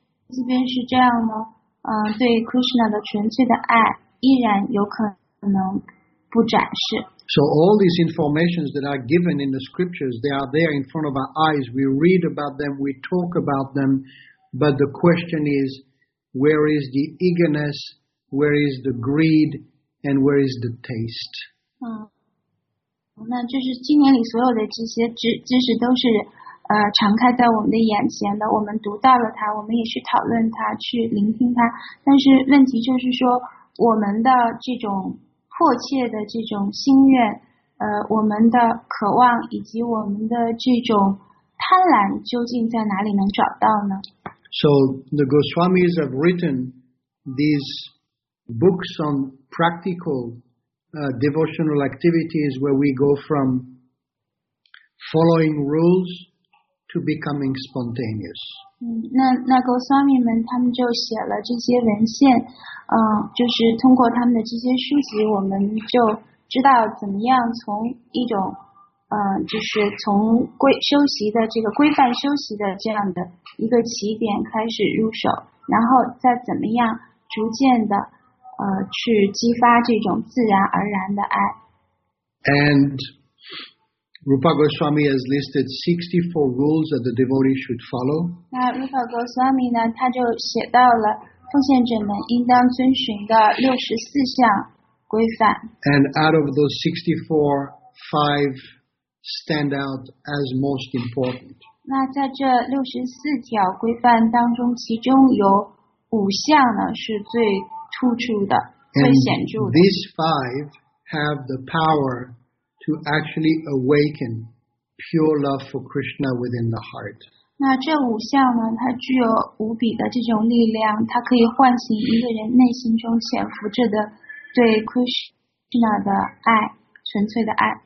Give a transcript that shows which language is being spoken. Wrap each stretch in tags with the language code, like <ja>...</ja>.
<zh>但是即便是这样呢，对 Krishna 的纯粹的爱依然有可能不展示。</zh> <en>So all these informations that are given in the scriptures, they are there in front of our eyes. We read about them, we talk about them, but the question is, where is the eagerness, where is the greed, and where is the taste?</en> <zh>那这是今年里所有的这些知识都是敞开在我们的眼前的，我们读到了它，我们也去讨论它，去聆听它。但是问题就是说，我们的这种迫切的这种心愿，我们的渴望以及我们的这种贪婪究竟在哪里能找到呢？</zh> <en>So the Goswamis have written these books on practical devotional activities where we go from following rules to becoming spontaneous.</en> <zh>那 Goswami 们他们就写了这些文献，就是通过他们的这些书籍，我们就知道怎么样从一种，就是从修习的这个规范修习的这样的一个起点开始入手，然后再怎么样逐渐的，去激发这种自然而然的爱。</zh> <en>And Rupa Goswami has listed 64 rules that the devotee should follow.</en> <zh>那 Rupa Goswami 呢，他就写到了奉献者们应当遵循的64项规范。</zh> <en>And out of those 64, five stand out as most important.</en> <zh>那在这64条规范当中，其中有五项呢是最突出的、最显著的。</zh> <en>These five have the power to actually awaken pure love for Krishna within the heart.</en> <zh>那这五项呢，它具有无比的这种力量，它可以唤醒一个人内心中潜伏着的对 Krishna 的爱，纯粹的爱。</zh>